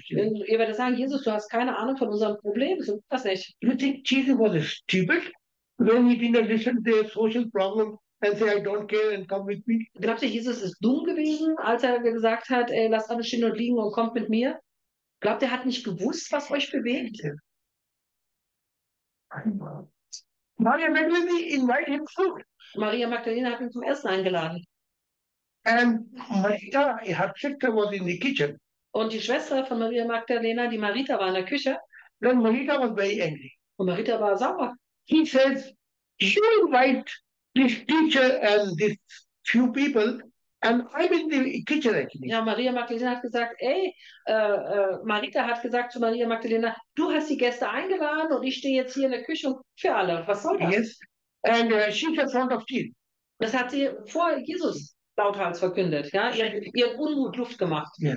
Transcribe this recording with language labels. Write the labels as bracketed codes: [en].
[de] Ihr werdet sagen, Jesus, du hast keine Ahnung von unserem Problem. So, das nicht. [en] You think Jesus was stupid when he didn't listen to their social problem and say, I don't care and come with me? [de] Glaubt ihr, Jesus ist dumm gewesen, als er gesagt hat, ey, lasst alles stehen und liegen und kommt mit mir? Glaubt ihr, er hat nicht gewusst, was euch bewegt? [en] Maria Magdalena invite him food. [de] Maria Magdalena hat ihn zum Essen eingeladen. [en] And Marita, her sister was in the kitchen. [de] Und die Schwester von Maria Magdalena, die Marita, war in der Küche. [en] Then Marita was very angry. [de] Und Marita war sauer. [en] He says, you invite this teacher and this few people, and I'm in the kitchen actually. [de] Ja, Maria Magdalena hat gesagt, ey, Marita hat gesagt zu Maria Magdalena, du hast die Gäste eingeladen und ich stehe jetzt hier in der Küche für alle. Was soll das? [en] Yes. And she's in front of Jesus. [de] Das hat sie vor Jesus lauthals verkündet, ja, ihr Unmut Luft gemacht.